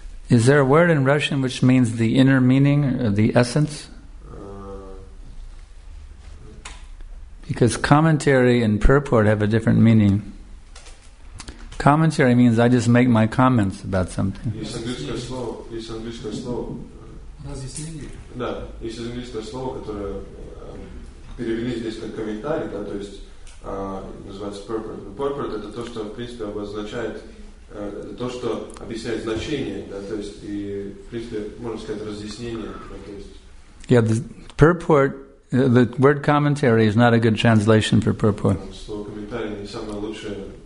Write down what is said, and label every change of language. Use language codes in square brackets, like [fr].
[en] Is there a word in Russian which means the inner meaning or the essence? Because commentary and purport have a different meaning. Commentary means I just make my comments about something. [ru] Есть английское слово. Есть английское слово. Разъяснение. Да, есть английское слово, которое перевели здесь как комментарий, да, то есть называется purport. Purport — это то, что в принципе обозначает то, что объясняет значение, да, то есть и в принципе можно сказать разъяснение, да, то есть. [en] Yeah, the purport. The word commentary is not a good translation for purport. [ru] Слово комментарий не самое лучшее.